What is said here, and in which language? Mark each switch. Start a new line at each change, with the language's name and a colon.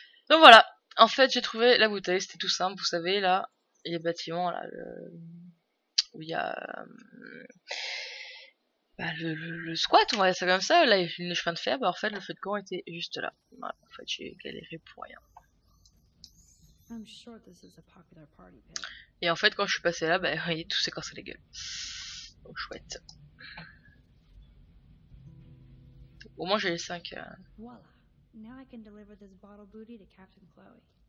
French: Donc voilà, en fait, j'ai trouvé la bouteille, c'était tout simple. Vous savez, là, il y a le bâtiment là, où il y a le squat, on va dire ça comme ça. Là, il y a une chemin de fer, bah, en fait, le feu de camp était juste là. Voilà, en fait, j'ai galéré pour rien.
English: I'm sure this is a popular party pit.
French: Et en fait, quand je suis passé là, ben, il est tout séquencé les gueules. Donc, chouette. Au moins, j'ai les 5. Voilà.
English: Now I can deliver this bottle booty to Captain Chloe.